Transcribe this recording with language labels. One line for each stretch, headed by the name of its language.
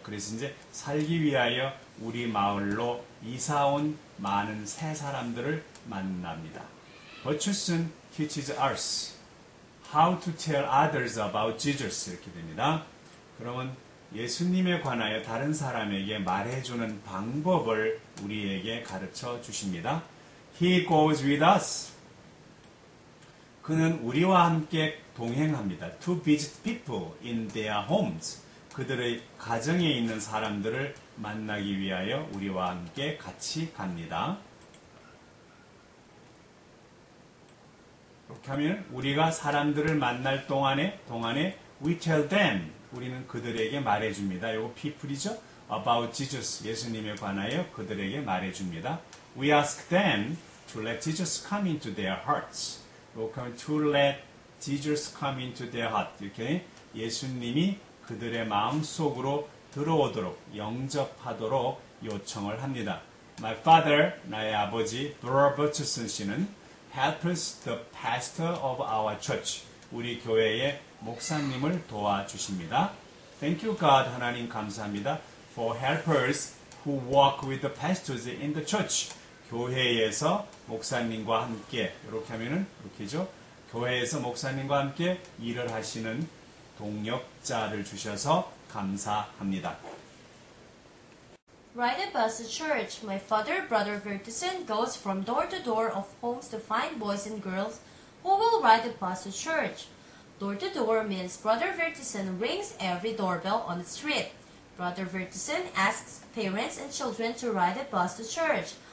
Korean: 그래서 이제 살기 위하여 우리 마을로 이사 온 많은 새 사람들을 만납니다.
English: Burchison teaches us how to tell others about Jesus.
Korean: 이렇게 됩니다. 그러면 예수님에 관하여 다른 사람에게 말해주는 방법을 우리에게 가르쳐 주십니다.
English: He goes with us.
Korean: 그는 우리와 함께 동행합니다.
English: To visit people in their homes.
Korean: 그들의 가정에 있는 사람들을 만나기 위하여 우리와 함께 같이 갑니다. 이렇게 하면 우리가 사람들을 만날 동안에
English: we tell them,
Korean: 우리는 그들에게 말해줍니다. 이거 people이죠?
English: About Jesus,
Korean: 예수님에 관하여 그들에게 말해줍니다.
English: We ask them to let Jesus come into their hearts. To let Jesus come into their heart.
Korean: 이렇게 예수님이 그들의 마음 속으로 들어오도록 영접하도록 요청을 합니다.
English: My father,
Korean: 나의 아버지,
English: Brother Butchison 씨는 helps the pastor of our church.
Korean: 우리 교회의 목사님을 도와주십니다.
English: Thank you, God.
Korean: 하나님 감사합니다.
English: For helpers who work with the pastors in the church.
Korean: 교회에서 목사님과 함께, 이렇게 하면은, 이렇게죠. 교회에서 목사님과 함께 일을 하시는 동역자를 주셔서 감사합니다.
English: Right above the church, my father, Brother Bertison, goes from door to door of homes to find boys and girls who will ride the bus to church. Door to door means Brother Bertison rings every doorbell on the street. Brother Bertison asks parents and children to ride the bus to church.